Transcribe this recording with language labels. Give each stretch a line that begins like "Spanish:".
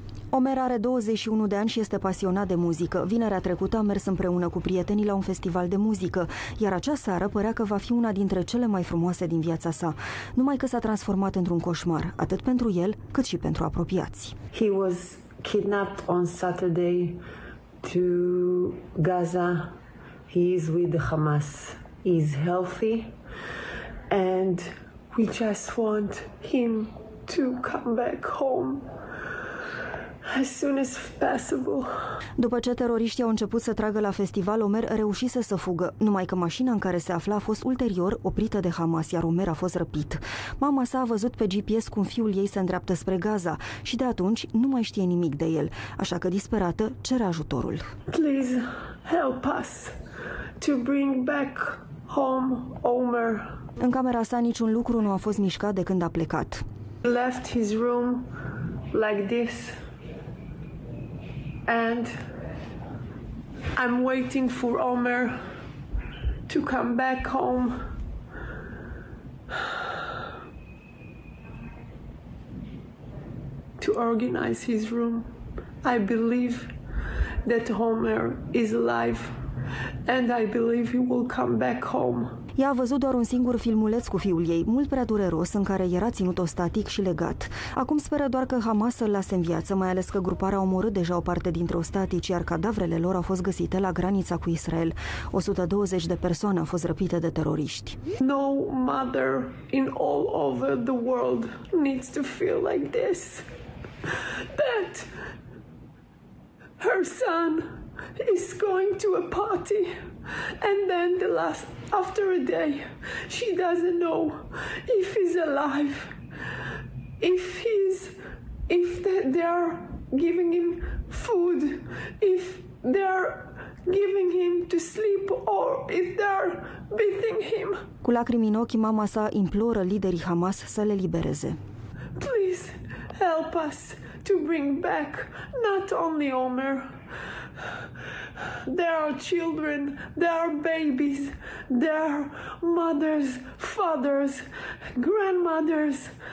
Romanian: Omer are 21 de ani și este pasionat de muzică. Vinerea trecută a mers împreună cu prietenii la un festival de muzică, iar acea seară părea că va fi una dintre cele mai frumoase din viața sa. Numai că s-a transformat într-un coșmar, atât pentru el, cât și pentru apropiați.
English: He was kidnapped on Saturday to Gaza. He is with Hamas. He is healthy and we just want him to come back home. As soon as possible.
Romanian: După ce teroriștii au început să tragă la festival, Omer reușise să fugă. Numai că mașina în care se afla a fost ulterior oprită de Hamas, iar Omer a fost răpit. Mama sa a văzut pe GPS cum fiul ei se îndreaptă spre Gaza și de atunci nu mai știe nimic de el. Așa că, disperată, cere ajutorul.
English: Please help us to bring back home Omer.
Romanian: În camera sa niciun lucru nu a fost mișcat de când a plecat.
English: He left his room like this. And I'm waiting for Omer to come back home. To organize his room. I believe that Omer is alive and I believe he will come back home.
Romanian: Ea a văzut doar un singur filmuleț cu fiul ei, mult prea dureros, în care era ținut-o static și legat. Acum speră doar că Hamas îl lase în viață, mai ales că gruparea a omorât deja o parte dintre ostatici, iar cadavrele lor au fost găsite la granița cu Israel. 120 de persoane au fost răpite de teroriști.
English: No mother in all over the world needs to feel like this. That her son is going to a party and then the last after a day she doesn't know if he's alive, if they are giving him food, if they are giving him to sleep or if they are beating him.
Romanian: Cu lacrimi în ochi, mama sa imploră liderii Hamas să le libereze.
English: Please help us to bring back not only Omer. There are children, there are babies, there are mothers, fathers, grandmothers.